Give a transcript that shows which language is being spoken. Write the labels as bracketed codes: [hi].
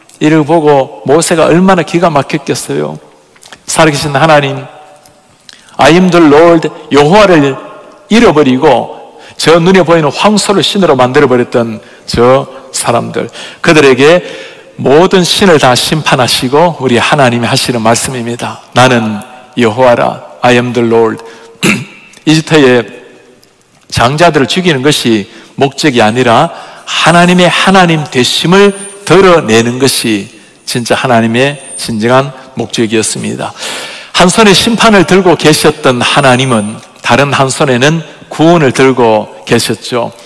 [ko] 이를 보고 모세가 얼마나 기가 막혔겠어요. 살아계신 하나님, [en] I am the Lord, [ko] 여호와를 잃어버리고 저 눈에 보이는 황소를 신으로 만들어버렸던 저 사람들, 그들에게 모든 신을 다 심판하시고 우리 하나님이 하시는 말씀입니다. 나는 여호와라, [en] I am the Lord. [ko] 이집트의 장자들을 죽이는 것이 목적이 아니라 하나님의 하나님 되심을 드러내는 것이 진짜 하나님의 진정한 목적이었습니다. 한 손에 심판을 들고 계셨던 하나님은 다른 한 손에는 구원을 들고 계셨죠.